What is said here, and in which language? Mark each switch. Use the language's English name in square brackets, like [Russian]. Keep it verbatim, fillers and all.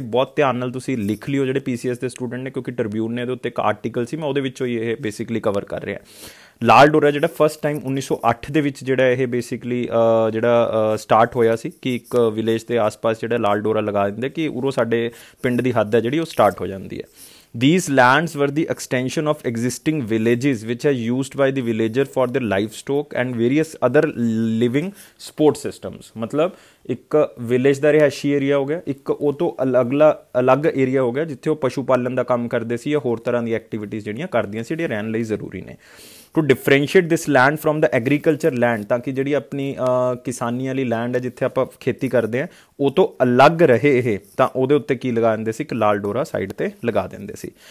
[Punjabi] ਬਹੁਤ ਧਿਆਨ ਨਾਲ ਤੁਸੀਂ ਲਿਖ ਲਿਓ ਜਿਹੜੇ ਪੀਸੀਐਸ ਦੇ ਸਟੂਡੈਂਟ ਨੇ, ਕਿਉਂਕਿ ਟ੍ਰਿਬਿਊਨ ਨੇ ਇਹਦੇ ਉੱਤੇ ਇੱਕ ਆਰਟੀਕਲ ਸੀ, ਮੈਂ ਉਹਦੇ ਵਿੱਚੋਂ ਇਹ ਬੇਸਿਕਲੀ ਕਵਰ ਕਰ ਰਿਹਾ। ਲਾਲ ਡੋਰਾ ਜਿਹੜਾ ਫਸਟ ਟਾਈਮ ਉੱਨੀ ਸੌ ਅੱਠ ਦੇ ਵਿੱਚ ਜਿਹੜਾ ਇਹ ਬੇਸਿਕਲੀ ਜਿਹੜਾ ਸਟਾਰਟ ਹੋਇਆ ਸੀ ਕਿ ਇੱਕ ਵਿਲੇਜ ਦੇ ਆਸ-ਪਾਸ ਜਿਹੜਾ ਲਾਲ ਡੋਰਾ ਲਗਾ ਦਿੰਦੇ ਕਿ ਉਰੋਂ ਸਾਡੇ ਪਿੰਡ ਦੀ ਹੱਦ ਹੈ ਜਿਹੜੀ ਉਹ ਸਟਾਰਟ ਹੋ ਜਾਂਦੀ ਹੈ। [English] These lands were the extension of existing villages which are used by the villager for their livestock and various other living support systems. [Punjabi] ਮਤਲਬ ਇੱਕ ਵਿਲੇਜ ਦਾ ਰਿਹਾਇਸ਼ੀ ਏਰੀਆ ਹੋ ਗਿਆ, ਇੱਕ ਉਹ ਤੋਂ ਅਲੱਗਲਾ ਅਲੱਗ ਏਰੀਆ ਹੋ ਗਿਆ ਜਿੱਥੇ ਉਹ ਪਸ਼ੂ ਪਾਲਣ ਦਾ ਕੰਮ ਕਰਦੇ ਸੀ ਜਾਂ ਹੋਰ ਤਰ੍ਹਾਂ ਦੀ ਐਕਟੀਵਿਟੀਜ਼ ਜਿਹੜੀਆਂ ਕਰਦੀਆਂ ਸੀ ਜਿਹੜੀਆਂ ਰਹਿਣ ਲਈ ਜ਼ਰੂਰੀ ਨੇ। [English] to differentiate this land from the agriculture land, [Punjabi] ਤਾਂ ਕਿ ਜਿਹੜੀ ਆਪਣੀ ਕਿਸਾਨੀ ਵਾਲੀ ਲੈਂਡ ਹੈ ਜਿੱਥੇ ਆਪਾਂ ਖੇਤੀ ਕਰਦੇ ਹਾਂ ਉਹ ਤੋਂ ਅਲੱਗ ਰਹੇ ਇਹ, ਤਾਂ ਉਹਦੇ ਉੱਤੇ ਕੀ ਲਗਾ ਦਿੰਦੇ ਸੀ, ਇੱਕ ਲਾਲ ਡੋਰਾ ਸਾਈਡ 'ਤੇ ਲਗਾ ਦਿੰਦੇ ਸੀ।